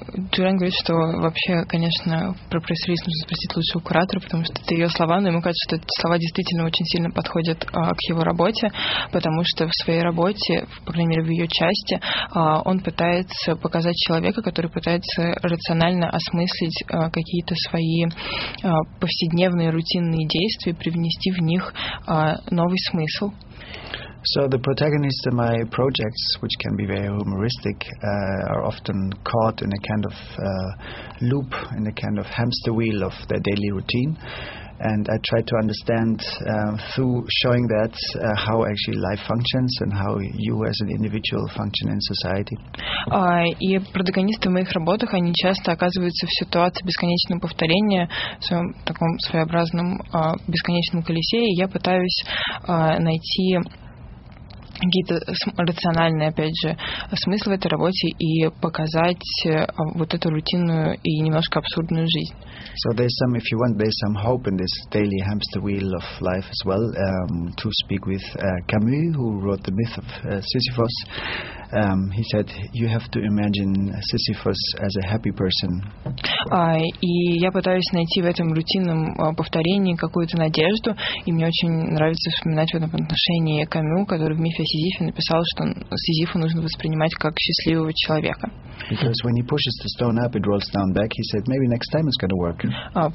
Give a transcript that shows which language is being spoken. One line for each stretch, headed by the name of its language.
Russian: Джулиан говорит, что вообще, конечно, про пресс-релиз нужно спросить лучше у куратора, потому что это ее слова, но ему кажется, что эти слова действительно очень сильно подходят к его работе, потому что в своей работе, по крайней мере, в ее части, он пытается показать человека, который пытается рационально осмыслить какие-то свои повседневные, рутинные действия, привнести в них новый смысл.
English: So the protagonists of my projects, which can be very humoristic, are often caught in a kind of loop, in a kind of hamster wheel of their daily routine. And I try to understand through showing that how actually life functions and how you as an individual function in society.
Russian: И протагонисты в моих работах, они часто оказываются в ситуации бесконечного повторения, в своем таком своеобразном бесконечном колесе, и я пытаюсь найти какие-то рациональные, опять же, смыслы в этой работе и показать вот эту рутинную и немножко абсурдную жизнь.
English: So there's some, if you want, there's some hope in this daily hamster wheel of life as well, to speak with Camus, who wrote the myth of Sisyphus. He said, you have to imagine Sisyphus as a happy person.
Russian: И я пытаюсь найти в этом рутинном повторении какую-то надежду, и мне очень нравится вспоминать в этом отношении Камю, который в мифе о Сизифе написал, что Сизифа нужно воспринимать как счастливого человека.
English: Because when he pushes the stone up, it rolls down back, he said, maybe next time it's going to work.